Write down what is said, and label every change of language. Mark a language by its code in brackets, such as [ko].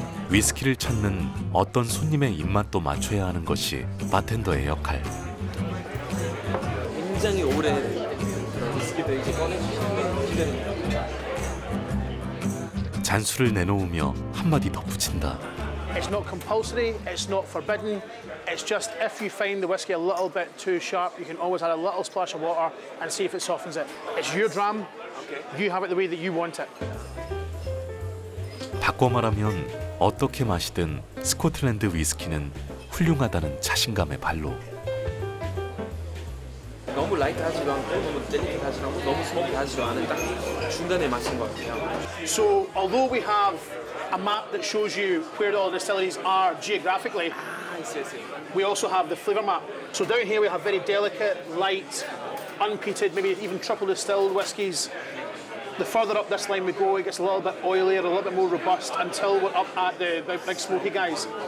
[ko] 위스키를 찾는 어떤 손님의 입맛도 맞춰야 하는 것이 바텐더의 역할. 굉장히 오래 위스키도 이제 꺼내주시는 게 잔술을 내놓으며 한마디 덧붙인다. [en] It's not compulsory, it's not forbidden. It's just if you find the whiskey a little bit too sharp, you can always add a little splash of water and see if it softens it. It's your dram. You have it the way that you want it. [ko] 바꿔 말하면 어떻게 마시든 스코틀랜드 위스키는 훌륭하다는 자신감의 발로. 너무 라이트하지도 않고 너무 딜리킷하지도 않고 너무 스모키하지도 않은 딱 중간에 마신 것 같아요. [en] So although we have a map that shows you where all the distilleries are geographically, we also have the flavor map. So down here we have very delicate, light, unpeated, maybe even triple distilled whiskies. The further up this line we go, it gets a little bit oilier, a little bit more robust, until we're up at the big smoky guys.